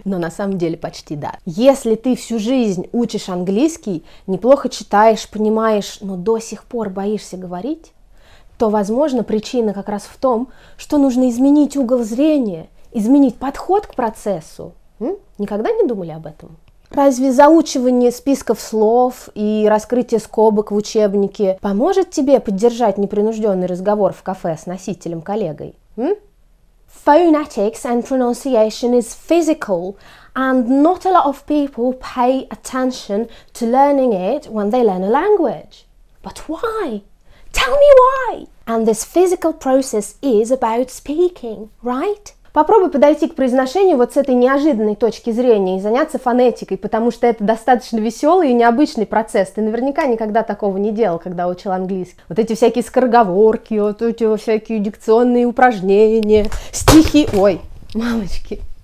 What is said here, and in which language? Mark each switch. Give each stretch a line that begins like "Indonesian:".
Russian: Но на самом деле почти да. Если ты всю жизнь учишь английский, неплохо читаешь, понимаешь, но до сих пор боишься говорить, то, возможно, причина как раз в том, что нужно изменить угол зрения, изменить подход к процессу. Никогда не думали об этом? Разве заучивание списков слов и раскрытие скобок в учебнике поможет тебе поддержать непринужденный разговор в кафе с носителем-коллегой?
English: Phonetics and pronunciation is physical, and not a lot of people pay attention to learning it when they learn a language. But why? Tell me why! And this physical process is about speaking, right?
Russian: Попробуй подойти к произношению вот с этой неожиданной точки зрения и заняться фонетикой, потому что это достаточно веселый и необычный процесс. Ты наверняка никогда такого не делал, когда учил английский. Вот эти всякие скороговорки, вот эти всякие дикционные упражнения, стихи. Ой, мамочки.